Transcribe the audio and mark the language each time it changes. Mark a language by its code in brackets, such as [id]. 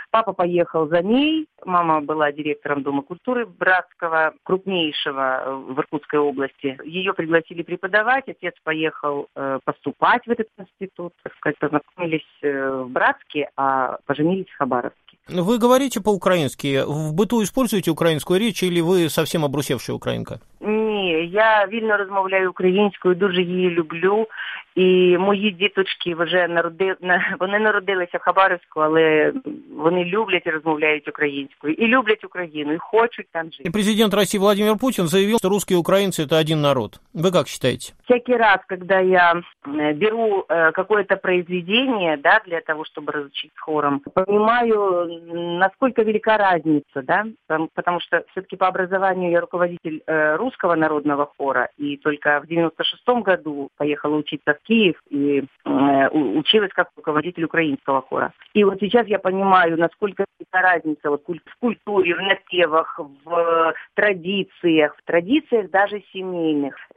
[ru] Папа поехал за ней, мама была директором Дома культуры Братского, крупнейшего в Иркутской области. Ее пригласили преподавать, отец поехал поступать в этот институт. Так сказать, познакомились в Братске, а поженились в Хабаровске. Вы говорите по-украински. В быту используете украинскую речь или вы совсем обрусевшая украинка? [uk] Ні, я вільно розмовляю українською, дуже її люблю. І мої діточки вже вони народилися в Хабаровську, але вони люблять і розмовляють українською. І люблять Україну, і хочуть там жити. І президент Росії Владимир Путін заявив, що русські українці – це один народ. Ви як вважаєте? Всякий раз, коли я беру [ru] какое-то произведение, [uk] да, для того, щоб розучити хором, розумію, наскільки велика різниця, да? Тому що все-таки [ru] по образованию я руководитель русского народного хора, и только в 96-м году поехала учиться в Киев и училась как руководитель украинского хора. И вот сейчас я понимаю, насколько это разница вот, в культуре, в напевах, в традициях даже семейных.